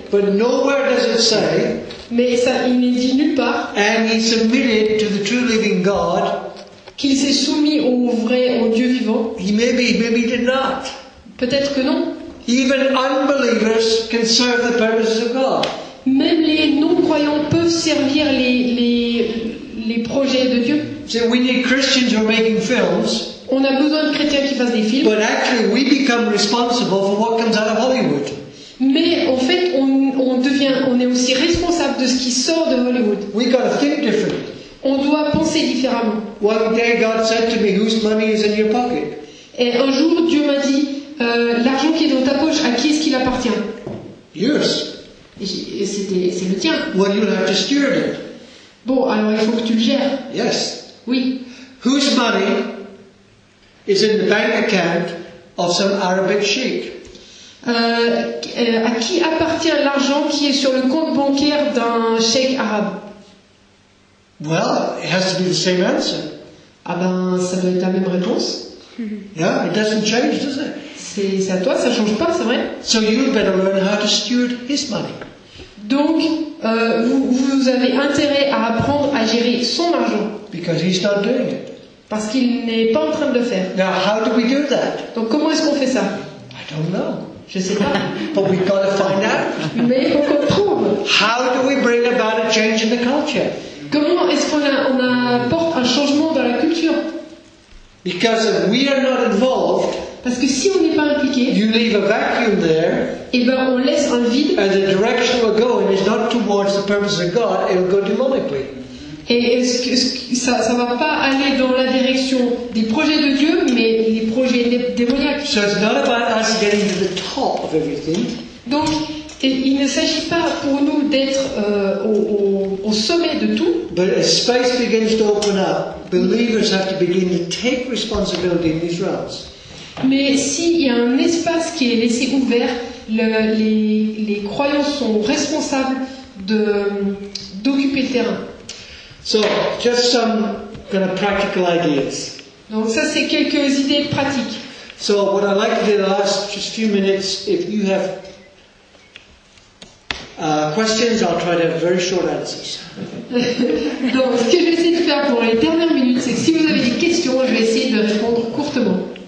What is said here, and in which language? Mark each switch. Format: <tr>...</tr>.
<en>But nowhere does it say.</en> <fr>Mais ça, il n'est dit nulle part.</fr> <en>And he submitted to the true living God.</en> <fr>qu'il s'est soumis au vrai, au Dieu vivant.</fr> <en>Maybe did not.</en> <fr>Peut-être que non.</fr> <en>Even unbelievers can serve the purposes of God.</en> <fr>Même les non-croyants peuvent servir les projets de Dieu.</fr> <en>So we need Christians who are making films.</en> <fr>On a besoin de chrétiens qui fassent des films.</fr> <en>But actually, we become responsible for what comes out of Hollywood.</en> <fr>Mais en fait, on est aussi responsable de ce qui sort de Hollywood.</fr> <en>We got to think different.</en> <fr>On doit penser différemment.</fr> <en>One day God said to me, whose money is in your pocket?</en> <fr>Et un jour, Dieu m'a dit, l'argent qui est dans ta poche, à qui est-ce qu'il appartient?</fr> <en>Yours.</en> <fr>C'est le tien.</fr> <en>Well, you'll have to steward it.</en> <fr>Bon, alors il faut que tu le gères.</fr> <en>Yes.</en> <fr>Oui.</fr> <en>Whose money is in the bank account of some Arabic sheikh?</en> <fr>À qui appartient l'argent qui est sur le compte bancaire d'un cheikh arabe?</fr> <en>Well, it has to be the same answer.</en> <fr>Ah ben, ça doit être la même réponse.</fr> <en>Yeah, it doesn't change, does it?</en> <fr>C'est à toi, ça change pas, c'est vrai.</fr> <en>So you better learn how to steward his money.</en> <fr>Donc, vous avez intérêt à apprendre à gérer son argent.</fr> <en>Because he's not doing it.</en> <fr>Parce qu'il n'est pas en train de le faire.</fr> <en>Now, how do we do that?</en> <fr>Donc, comment est-ce qu'on fait ça?</fr> <en>I don't know.</en> <fr>Je sais pas.</fr> <en>But we've got to find out.</en> <fr>Mais faut qu'on trouve.</fr> <en>How do we bring about a change in the culture?</en> <fr>Comment est-ce qu'on apporte un changement dans la culture?</fr> <en>Because if we are not involved,</en> <fr>parce que si on n'est pas impliqué,</fr> <en>you leave a vacuum there,</en> <fr>et ben on laisse un vide,</fr> <en>and the direction we're going is not towards the purpose of God, it will go demonically.</en> <fr>Et ça va pas aller dans la direction des projets de Dieu, mais les projets démoniaques.</fr> <en>So it's not about us getting to the top of everything.</en> <fr>Donc, il ne s'agit pas pour nous d'être au sommet de tout.</fr> <en>But as space begins to open up, believers have to begin to take responsibility in these realms.</en> <fr>Mais s'il y a un espace qui est laissé ouvert, les croyants sont responsables d'occuper le terrain.</fr> <en>So, just some kind of practical ideas.</en> <fr>Donc ça, c'est quelques idées pratiques.</fr> <en>So, what I'd like to do in the last just few minutes, if you have questions, I'll try to have very short answers.</en> <fr>Donc, ce que je vais essayer de faire pour les dernières minutes, c'est que si vous avez des questions, je vais essayer de répondre courtement.</fr>